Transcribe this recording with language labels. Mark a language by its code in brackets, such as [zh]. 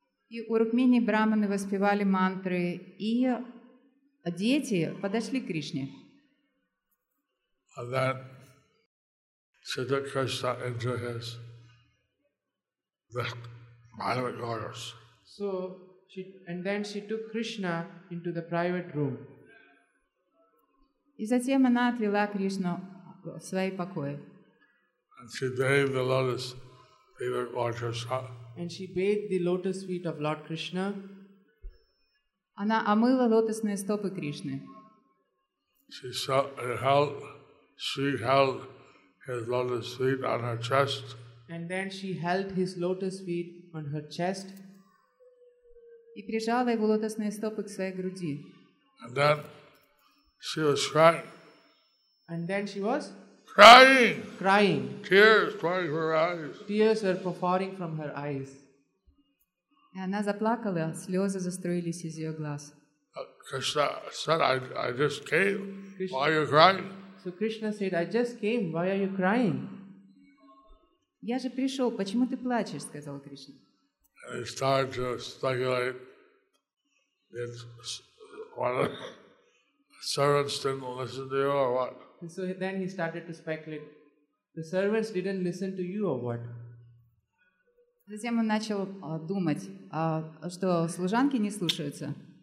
[ru] И у Рукмини Брахманы воспевали мантры, и Дети подошли к Кришне. [en] And then Siddhartha into his private quarters. So she and then she took Krishna into the private room. [ru] И затем она отвела Кришну в свои покои. [en] And she bathed the lotus feet of Lord Krishna. And she bathed the lotus feet of Lord Krishna. [ru] Она омыла лотосные стопы Кришны. [en] She held his lotus feet on her chest. And then she held his lotus feet on her chest. [ru] И прижала его лотосные стопы к своей груди. [en] And then she was crying. And then she was crying. Crying. Tears pouring from her eyes. Tears were pouring from her eyes. [ru] И она заплакала, слезы застроились из ее глаз. [en] Krishna said, I just came. Krishna, why are you crying? So Krishna said, I just came. Why are you crying? [ru] Я же пришел. Почему ты плачешь? Сказал Кришна. [en] And he started to speculate. Did one of the servants didn't listen to you or what? And so then he started to speculate. The servants didn't listen to you or what? [ru] Затем он начал думать, что служанки не слушаются.